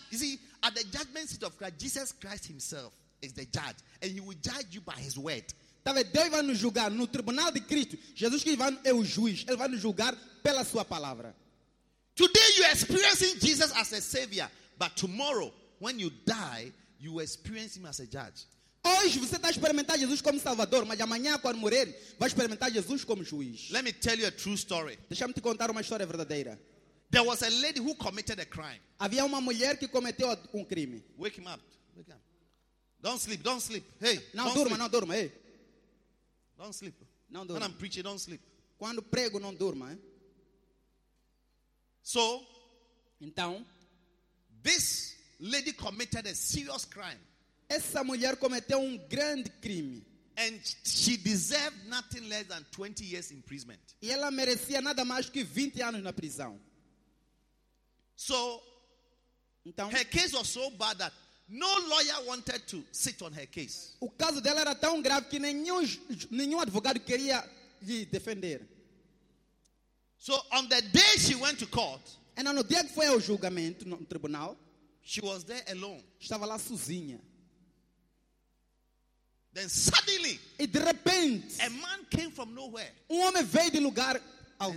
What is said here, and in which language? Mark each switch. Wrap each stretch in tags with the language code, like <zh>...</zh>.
<en>You see, at the judgment seat of Christ, Jesus Christ himself is the judge. And he will judge you by his word.</en> <pt>Deus vai nos julgar no tribunal de Cristo. Jesus Cristo é o juiz. Ele vai nos julgar pela sua palavra.</pt> <en>Today you are experiencing Jesus as a savior, but tomorrow when you die, you will experience him as a judge.</en> <pt>Hoje você está experimentando Jesus como salvador, mas amanhã quando morrer, vai experimentar Jesus como juiz.</pt> <en>Let me tell you a true story.</en> <pt>Deixa-me te contar uma história verdadeira.</pt> <en>There was a lady who committed a crime.</en> <pt>Havia uma mulher que cometeu crime.</pt> <en>Wake him up. Wake him. Don't sleep, don't sleep. Hey.</en> <pt>Não durma, não durma, hey.</pt> <en>Don't sleep.</en> <pt>Não durma.</pt> <en>When I'm preaching, don't sleep.</en> <pt>Quando prego, não durma, hein?</pt> <en>So,</en> <pt>então,</pt> <en>this lady committed a serious crime.</en> <pt>Essa mulher cometeu grande crime.</pt> <en>And she deserved nothing less than 20 years imprisonment.</en> <pt>E ela merecia nada mais que 20 anos na prisão.</pt> <en>So,</en> <pt>então,</pt> <en>her case was so bad that no lawyer wanted to sit on her case.</en> <pt>O caso dela era tão grave que nenhum advogado queria lhe defender.</pt> <en>So on the day she went to court,</en> <pt>and no dia que foi ao julgamento no tribunal,</pt> <en>she was there alone.</en> <pt>Estava lá sozinha.</pt> <en>Then suddenly,</en> <pt>e de repente,</pt> <en>a man came from nowhere.</en> <pt>Homem veio de lugar algum.</pt>